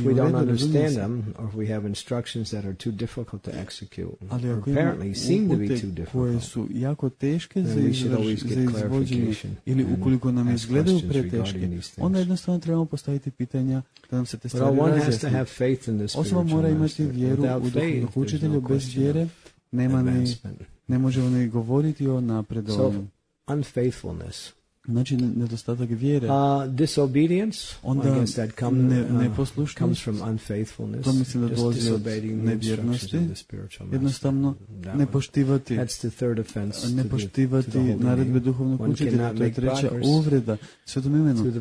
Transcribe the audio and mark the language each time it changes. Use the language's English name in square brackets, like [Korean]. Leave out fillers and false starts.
[English] if we don't understand them, or if we have instructions that are too difficult to execute, [Croatian] ali [English] or apparently seem to be too difficult, [Croatian] koje su jako teške [English] then we should always get clarification. [Croatian] Ili ukoliko nam izgledaju preteške, onda jednostavno trebamo postaviti pitanja. Da se te [English] one has to have faith in this [Croatian] osoba mora imati vjeru u duhovnog učitelja. Bez vjere nema ni, ne može ni govoriti o napredovanju. [English] Unfaithfulness. [Croatian] Znači nedostatak vjere. [English] Disobedience. [Croatian] Onda [English] I guess that come, [Croatian] neposlušnost [English] comes from unfaithfulness. [Croatian] To mislim da dolazi od nevjernosti. Jednostavno nepoštivati. [English] That's the third offense. [Croatian] Nepoštivati naredbe duhovnog učitelja. To je treća uvreda svetom imenu.